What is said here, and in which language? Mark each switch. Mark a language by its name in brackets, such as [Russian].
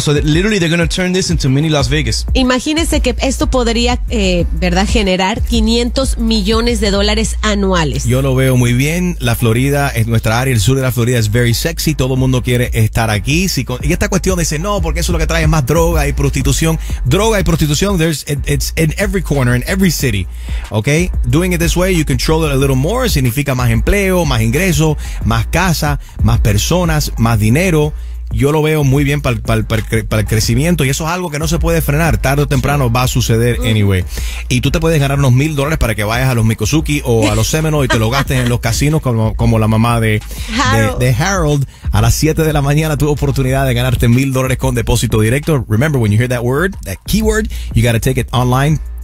[English] So literally they're going to turn this into mini Las Vegas. [Spanish] Imagínense que esto podría, ¿verdad?, generar $500 millones anuales. Yo lo veo muy bien. La Florida, en nuestra área, el sur de la Florida, es [English] very sexy. [Spanish] Todo el mundo quiere estar aquí. Y esta cuestión dice, no, porque eso es lo que trae más droga y prostitución. Droga y prostitución, [English] it's in every corner, in every city. Okay? Doing it this way, you control it a little more. [Spanish] Significa más empleo, más ingreso, más casa, más personas, más dinero. Yo lo veo muy bien para el crecimiento y eso es algo que no se puede frenar. Tarde o temprano va a suceder anyway. Y tú te puedes ganar unos $1,000 para que vayas a los Mikosuki o a los Seminoles y te lo gastes en los casinos como la mamá de Harold. A las 7 de la mañana tu oportunidad de ganarte $1,000 con depósito directo. [English] Remember, when you hear that word, that keyword, you gotta take it online.